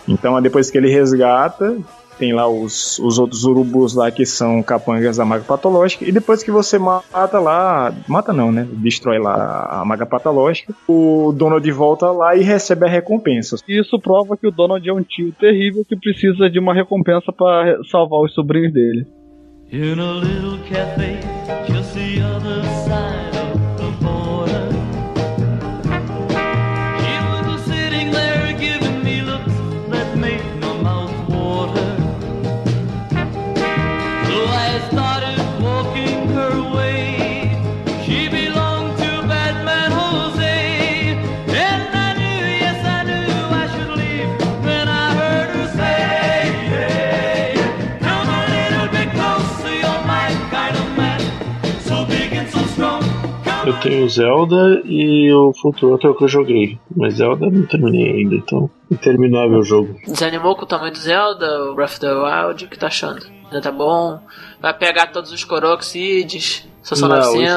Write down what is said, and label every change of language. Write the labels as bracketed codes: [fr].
[pt] Então, depois que ele resgata, tem lá os outros urubus lá que são capangas da maga patológica. E depois que você mata lá... Mata não, né? Destrói lá a maga patológica. O Donald volta lá e recebe a recompensa. Isso prova que o Donald é um tio terrível que precisa de uma recompensa pra salvar os sobrinhos dele. [en] In a little cafe, just the other side of the border. He was sitting there giving me looks that made my mouth water. So I started walking her way. She belonged to Batman Jose. And I knew, yes I knew, I should leave when I heard her say, hey, hey, come a little bit closer, you're my kind of man. So big and so strong. [pt] Eu tenho Zelda e o Fultuator que eu joguei, mas Zelda não terminei ainda, então interminável o jogo. Desanimou com o tamanho do Zelda, o Breath of the Wild, o que tá achando? Ainda tá bom? Vai pegar todos os Korok Seeds, só são 900?